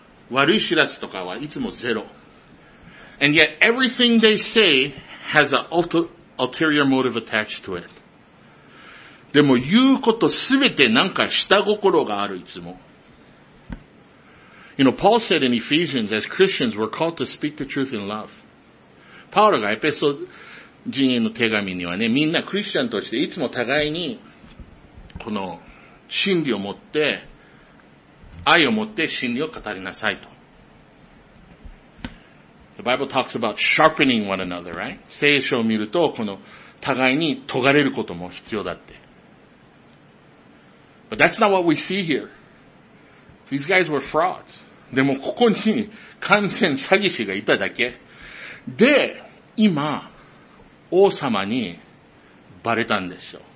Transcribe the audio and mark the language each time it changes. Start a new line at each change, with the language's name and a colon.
Japanese: 悪い知らせとかはいつもゼロ。
English: And yet everything they say has an ulterior motive attached to it.
Japanese: でも言うことすべてなんか下心があるいつも。
English: You know, Paul said in Ephesians, as Christians, we're called to speak the truth in love.
Japanese: パウロがエペソ人への手紙にはね、みんなクリスチャンとしていつも互いに、この、真理を持って、愛を持って真理を語りなさいと。
English: The Bible talks about sharpening one another, right?
Japanese: 聖書を見ると、この、互いに尖れることも必要だって。
English: But that's not what we see here. These guys were frauds.
Japanese: でもここに完全詐欺師がいただけ。で、今、王様にバレたんでしょ。